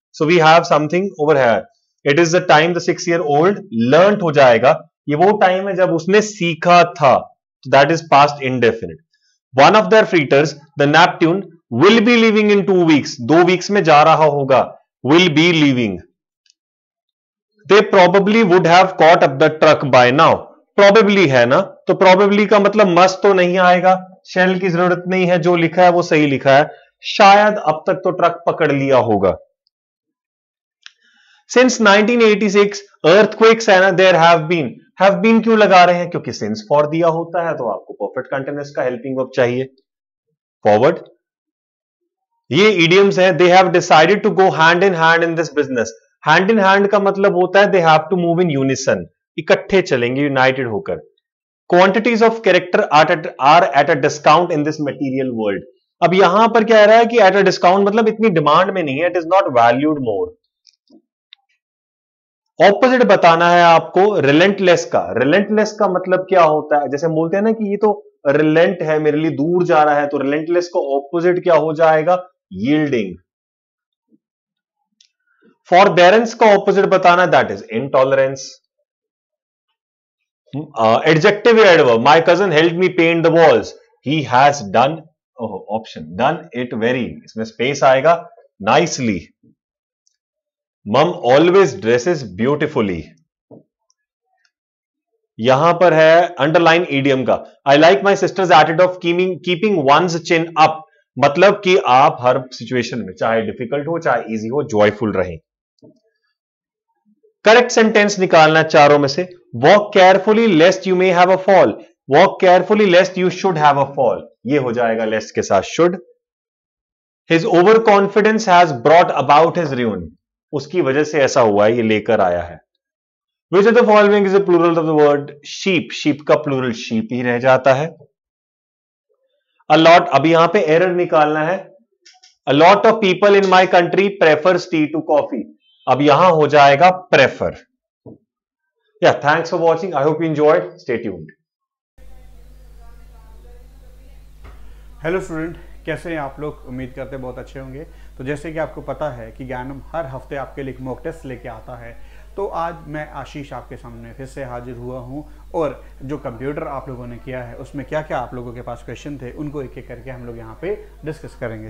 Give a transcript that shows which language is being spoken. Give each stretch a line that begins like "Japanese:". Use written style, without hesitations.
English: so we have something over here, it is the time the 6-year-old learned
Hindi: हो जाएगा, ये वो time है जब उसने सीखा था,
English: that is past indefinite, one of their freighters the Neptune will be leaving in
Hindi: 2 weeks, 2 weeks mein ja raha hoga,
English: will be leaving. They probably would have caught up the truck by now.
Hindi: Probably है ना, तो probably का मतलब must तो नहीं आएगा, shall की जरूरत नहीं है, जो लिखा है वो सही लिखा है, शायद अब तक तो ट्रक पकड़ लिया होगा. Since 1986 earthquakes है ना,
English: there have been
Hindi: क्यों लगा रहे हैं, क्योंकि since for दिया होता है तो आपको perfect continuous का helping verb चाहिए.
English: Forward,
Hindi: ये idioms हैं,
English: they have decided to go hand in hand in this business. Hand in hand का मतलब होता है they have to move in unison,
Hindi: इकट्ठे चलेंगे,
English: united होकर. Quantities of character are at a discount in this material world.
Hindi: अब यहां पर क्या रहा है कि at a discount मतलब इतनी demand में नहीं है,
English: it is not valued more.
Hindi: Opposite बताना है आपको relentless का. Relentless का मतलब क्या होता है, जैसे बोलते हैं ना कि ये तो relent है, मेरे लिए दूर जा रहा है, तो relentless को opposite क्या हो जाएगा, yielding.
English: Forbearance
Hindi: का opposite बताना,
English: that is intolerance. Adjective adverb, my cousin helped me paint the walls, he has done, option, done it very,
Hindi: इसमें space आएगा,
English: nicely. Mom always dresses beautifully.
Hindi: यहां पर है underline idiom का,
English: I like my sister's attitude of keeping one's chin up,
Hindi: मतलब कि आप हर situation में, चाहे difficult हो चाहे easy हो, joyful रहें.
English: Correct sentence निकालना चारों में से, walk carefully lest you may have a fall, walk carefully lest you should have a fall,
Hindi: ये हो जाएगा
English: lest के साथ should. His overconfidence has brought about his ruin,
Hindi: उसकी वजह से ऐसा हुआ है, ये लेकर आया है.
English: Which of the following is a plural of the word sheep,
Hindi: sheep का plural sheep ही रह जाता है.
English: A lot,
Hindi: अब यहां पे error निकालना है,
English: a lot of people in my country prefers tea to coffee,
Hindi: अब यहां हो जाएगा
English: prefer. Yeah, thanks for watching. I hope you enjoyed. Stay tuned. Hello student,
Hindi: कैसे हैं आप लोग, उम्मीद करते हैं बहुत अच्छे होंगे. तो जैसे कि आपको पता है कि ज्ञानम हर हफ्ते आपके लिए मॉक टेस्ट लेके आता है, तो आज मैं आशीष आपके सामने फिर से हाजिर हुआ हूँ. और जो कंप्यूटर आप लोगों ने किया है उसमें क्या क्या आप लोगों के पास क्वेश्चन थे, उनको एक एक करके हम लोग यहाँ पे डिस्कस करेंगे.